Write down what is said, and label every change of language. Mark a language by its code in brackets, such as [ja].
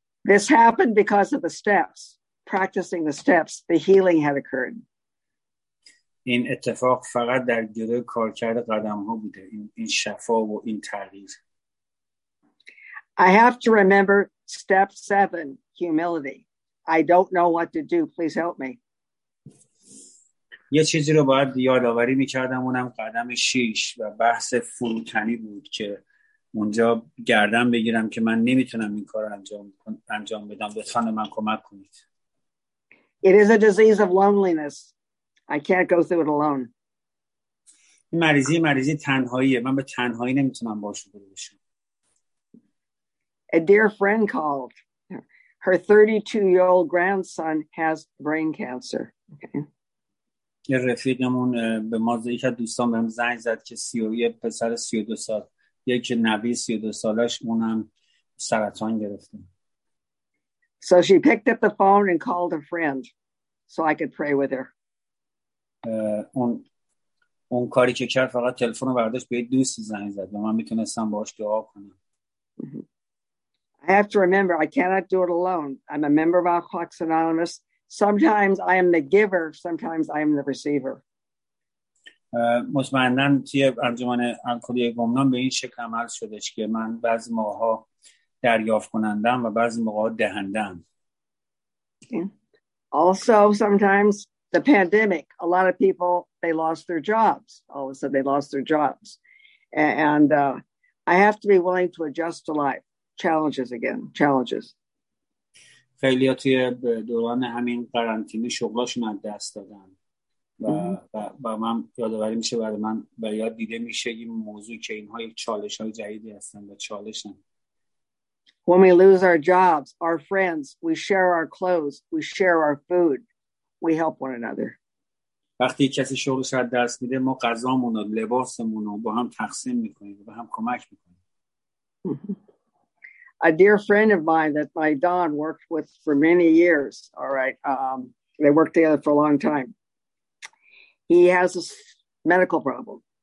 [en] This happened because of the steps. Practicing the steps, the healing had occurred. [fa] این اتفاق فقط در گروه کار کرده قدم ها بوده، این شفا و این تغییر. [en] I have to remember step 7, humility. I don't know what to do. Please help me. [fa] یه چیزی رو باید یادآوری می‌کردم، اونم قدم 6 و بحث فروتنی بود که اونجا گردن بگیرم که من نمیتونم این کار انجام بدم، لطفاً من کمک کنید. [en] It is a disease of loneliness. I can't go through it alone. [fa] این مریضی تنهاییه، من به تنهایی نمیتونم باهاش روبرو بشم. [en] A dear friend called. her 32-year-old grandson has brain cancer. [fa] یه رفیقمون به ما یک دوستان بهم زنگ زد که 32 پسر 32 سال یک نوی 32 سالش اونم سرطان گرفته. [en] So she picked up the phone and called a friend so I could pray with her. [fa] اون کاری که کرد فقط تلفن رو برداشت به یه دوستی زنگ زد و من میتونستم باهاش دعا کنم. [en] I have to remember I cannot do it alone. I'm a member of Alcoholics Anonymous. Sometimes I am the giver, sometimes I am the receiver. [fa] مطمئنن توی انجمن الکلی گمنام به این شکل عمل شده که من بعضی موقع ها دریافت کنندم و بعضی موقع ها دهندم. [en] Also sometimes the pandemic, a lot of people, they lost their jobs. All of a sudden they lost their jobs. And I have to be willing to adjust to life. Challenges again, challenges. [fa] خیلی ها توی دوران همین قرنطینه شغلاشون از دست دادن و من یادآوری میشه برای من و یاد دیده میشه این موضوع که اینها یک چالش های جدیدی هستن و چالش هم. [en] When we lose our jobs, our friends, we share our clothes, we share our food, we help one another. [fa] وقتی کسی شغلش از دست میده ما غذامون و لباسمون رو با هم تقسیم میکنیم و با هم کمک میکنیم. [en] A dear friend of mine that my Don worked with for many years, all right, they worked together for a long time. He has a medical problem.